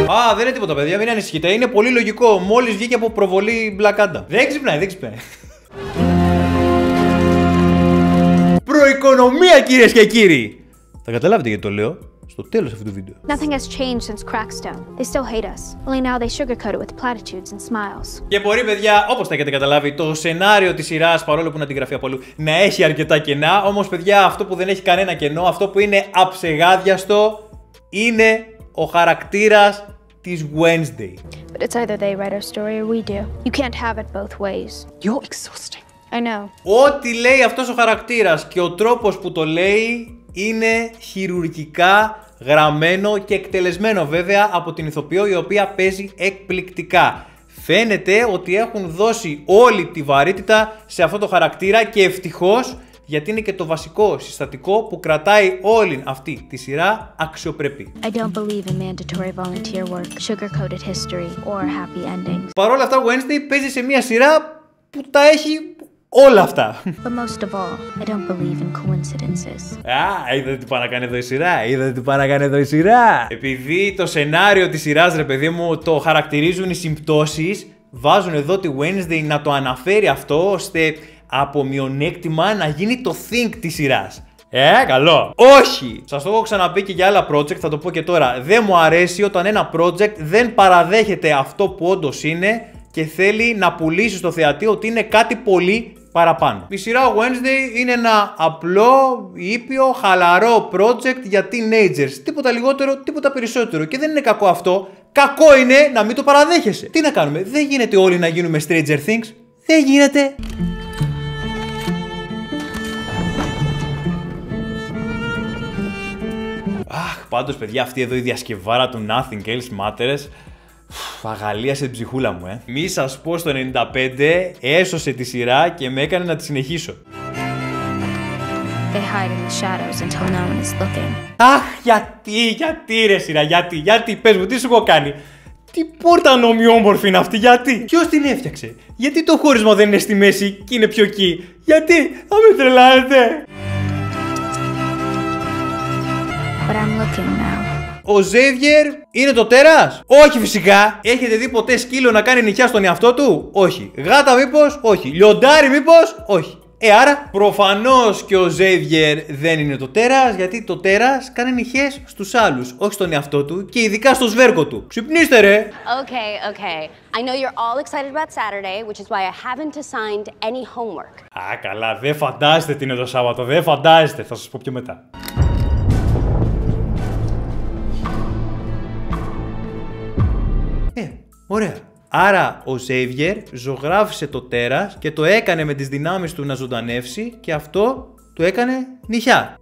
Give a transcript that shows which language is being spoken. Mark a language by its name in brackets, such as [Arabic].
[Greek] Α, δεν είναι τίποτα, παιδιά, μην ανησυχείτε. Είναι πολύ λογικό. Μόλις βγήκε από προβολή Black Adam. Δεν ξυπνάει. Προοικονομία, κυρίες και κύριοι! Θα καταλάβετε γιατί το λέω στο τέλος αυτού του βίντεο. [English] Nothing has changed since Crackstone. They still hate us. Only now they sugarcoat it with platitudes and smiles. [Greek] Και μπορεί, παιδιά, όπως τα έχετε καταλάβει, το σενάριο της σειράς, παρόλο που είναι αντιγραφή από αλλού, να έχει αρκετά κενά. Όμως, παιδιά, αυτό που δεν έχει κανένα κενό, αυτό που είναι αψεγάδιαστο, είναι ο χαρακτήρας της Wednesday. [English] But it's either they write our story or we do. You can't have it both ways. You're exhausting. I know. [Greek] Ό,τι λέει αυτός ο χαρακτήρας και ο τρόπος που το λέει είναι χειρουργικά γραμμένο και εκτελεσμένο, βέβαια, από την ηθοποιό, η οποία παίζει εκπληκτικά. Φαίνεται ότι έχουν δώσει όλη τη βαρύτητα σε αυτό το χαρακτήρα και ευτυχώς, γιατί είναι και το βασικό συστατικό που κρατάει όλη αυτή τη σειρά αξιοπρεπή. [English] I don't believe in mandatory volunteer work, sugar-coated history or happy endings. [Greek] Παρ' όλα αυτά, Wednesday παίζει σε μια σειρά που τα έχει όλα αυτά. [English] But most of all, I don't believe in coincidences. [Greek] Α, είδατε τι πάει να κάνει εδώ η σειρά, Επειδή το σενάριο της σειράς, ρε παιδί μου, το χαρακτηρίζουν οι συμπτώσεις, βάζουν εδώ τη Wednesday να το αναφέρει αυτό, ώστε από μειονέκτημα να γίνει το think της σειράς. Ε, καλό. Όχι. Σας το έχω ξαναπεί και για άλλα project, θα το πω και τώρα. Δεν μου αρέσει όταν ένα project δεν παραδέχεται αυτό που όντως είναι και θέλει να πουλήσει στο θεατή ότι είναι κάτι πολύ παραπάνω. Η σειρά Wednesday είναι ένα απλό, ήπιο, χαλαρό project για teenagers. Τίποτα λιγότερο, τίποτα περισσότερο. Και δεν είναι κακό αυτό. Κακό είναι να μην το παραδέχεσαι. Τι να κάνουμε, δεν γίνεται όλοι να γίνουμε Stranger Things. Δεν γίνεται. Αχ, πάντως, παιδιά, αυτή εδώ η διασκευάρα του Nothing Else Matters αγαλίασε την ψυχούλα μου, ε. Μη σας πω, στο 95 έσωσε τη σειρά και με έκανε να τη συνεχίσω. [English] They hide in the shadows until no one is looking. [Greek] Αχ, γιατί ρε σειρά, γιατί, πες μου, τι σου έχω κάνει. Τι πόρτα νομιόμορφη είναι αυτή, γιατί. Ποιος την έφτιαξε, γιατί το χώρισμα δεν είναι στη μέση και είναι πιο εκεί. Γιατί, θα με τρελάνετε. [English] But I'm looking now. [Greek] Ο Ζέβιερ είναι το τέρας? Όχι φυσικά! Έχετε δει ποτέ σκύλο να κάνει νυχιά στον εαυτό του? Όχι. Γάτα μήπως? Όχι. Λιοντάρι μήπως? Όχι. Ε, άρα προφανώς και ο Ζέβιερ δεν είναι το τέρας, γιατί το τέρας κάνει νυχιές στους άλλους, όχι στον εαυτό του και ειδικά στο σβέρκο του. Ξυπνήστε, ρε! [English] Okay, okay. I know you're all excited about Saturday, which is why I haven't assigned any homework. [Greek] Α, καλά, δεν φαντάζεστε τι είναι το Σάββατο, δεν φαντάζεστε, θα σας πω πιο μετά. Ωραία. Άρα ο Ζέβιερ ζωγράφισε το τέρας και το έκανε με τις δυνάμεις του να ζωντανεύσει και αυτό του έκανε νυχιά.